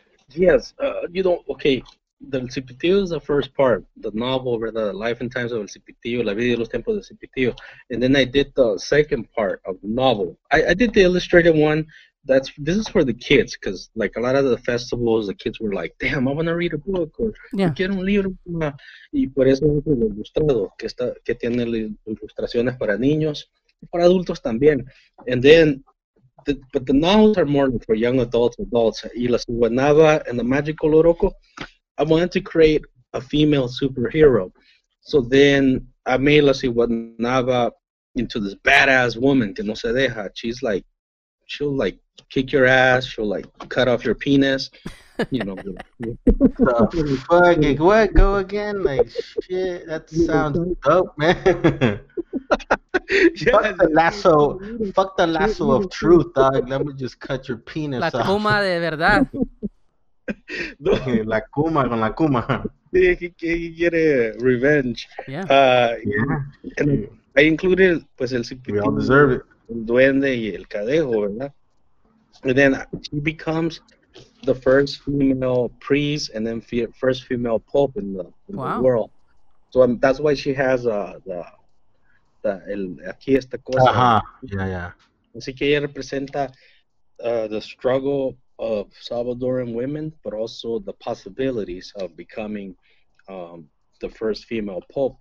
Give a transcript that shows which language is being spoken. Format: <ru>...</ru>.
<en>Yes, you know, okay, the Cipitillo is the first part, the novel, right, the life and times of El Cipitillo, La Vida y los Tiempos del Cipitillo. And then I did the second part of the novel. I did the illustrated one. This is for the kids, because like a lot of the festivals, the kids were like, damn, I want to read a book, or</en> <es>quiero un libro. Y por eso es el ilustrado, que tiene ilustraciones para niños.</es> <en>For adults, también, and then, but the novels are more for young adults. Y La Ciguanaba and the Magical Oroco. I wanted to create a female superhero, so then I made La Ciguanaba into this badass woman</en> <es>que no se deja.</es> <en>She's like, she'll like kick your ass. She'll like cut off your penis. You know. Fuck it. What? Go again? Like shit. That sounds dope, man. Yeah. Fuck the lasso of truth, dog. Let me just cut your penis</en> <es>la</es> <en>off.</en> <es>La cuma de verdad. No. La cuma con la cuma.</es> <en>He get a revenge. Yeah. And I included, pues, el cipitillo. We all deserve it.</en> <es>El duende y el cadejo, ¿verdad?</es> <en>And then she becomes the first female priest and then first female pope in the world. So that's why she has the...</en> <es>aquí esta cosa.</es> <en>Yeah.</en> <es>Así que ella representa</es> <en>the struggle of Salvadoran women, but also the possibilities of becoming the first female pope.</en>